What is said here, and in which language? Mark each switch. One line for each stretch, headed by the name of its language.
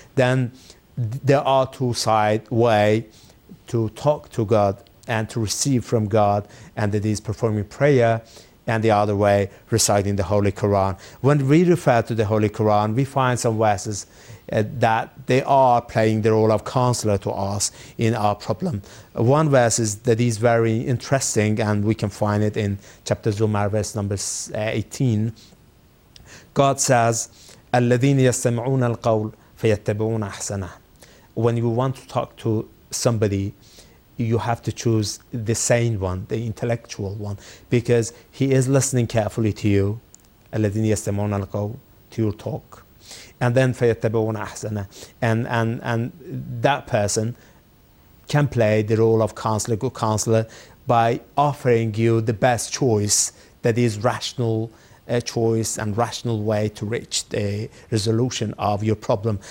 English: Then there are two side way to talk to God and to receive from God, and that is performing prayer, and the other way, reciting the Holy Quran. When we refer to the Holy Quran, we find some verses that they are playing the role of counselor to us in our problem. One verse is that is very interesting, and we can find it in chapter Zumar, verse number 18. God says,
Arabic: الَّذِينَ يَسْتَمِعُونَ الْقَوْلِ فَيَتَّبِعُونَ أَحْسَنَهُ.
English: When you want to talk to somebody, you have to choose the sane one, the intellectual one, because he is listening carefully to you,
Arabic: الَّذِينَ يَسْتَمِعُونَ الْقَوْلِ,
English: to your talk. And then
Arabic: فَيَتَّبِعُونَ أَحْسَنَهُ.
English: And that person can play the role of counselor, good counselor, by offering you the best choice that is rational, a choice and rational way to reach the resolution of your problem.